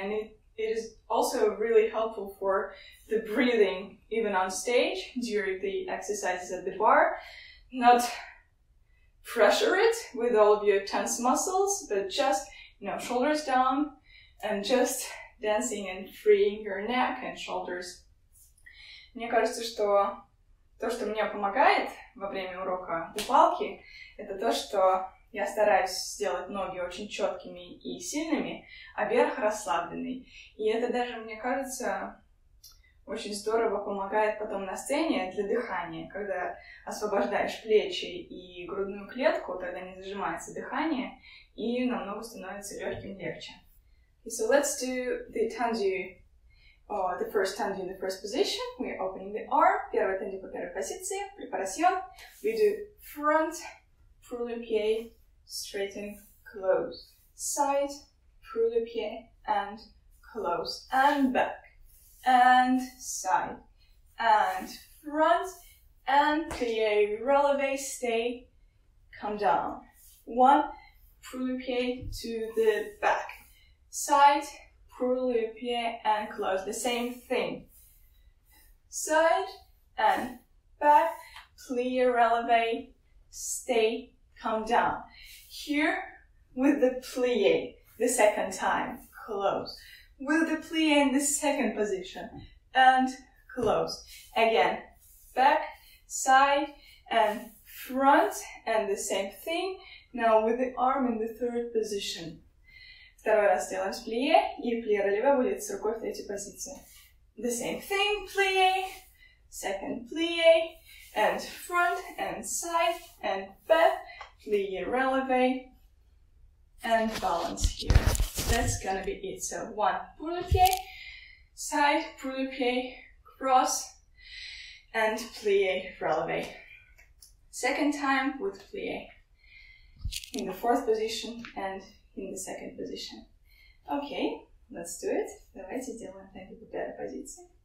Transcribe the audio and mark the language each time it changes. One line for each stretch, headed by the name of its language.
English: And it is also really helpful for the breathing, even on stage during the exercises at the bar. Not pressure it with all of your tense muscles, but just, you know, shoulders down and just dancing and freeing your neck and shoulders.
Russian: Мне кажется, что то, что мне помогает во время урока упалки, это то, что я стараюсь сделать ноги очень четкими и сильными, а верх расслабленный. И это даже, мне кажется, очень здорово помогает потом на сцене для дыхания. Когда освобождаешь плечи и грудную клетку, тогда не зажимается дыхание и намного становится легким легче.
English: So let's do the tendu. Oh, the first tendu in the first position, we are opening the arm.
Russian: Первое тендю по первой позиции, препарацион.
English: We do front, pull le pied, straighten, close. Side, pull le pied, and close. And back, and side, and front, and plié, relevé, stay, come down. One, pull le pied to the back, side, pull le pied and close, the same thing. Side and back, plié, relevé, stay, come down. Here with the plié, the second time, close. With the plié in the second position and close. Again, back, side and front and the same thing. Now with the arm in the third position.
Russian: Второй раз делаем с плие, и плие ролевое будет с рукой в третьей позиции.
English: The same thing, plié, second plié, and front, and side, and back, plié, relevé, and balance here. That's gonna be it. So one, pull le pied, side, pull le pied, cross, and plié, relevé. Second time with plié in the fourth position, and in the second position. Okay, let's do it.
Russian: Давайте делаем тендю по первой позиции.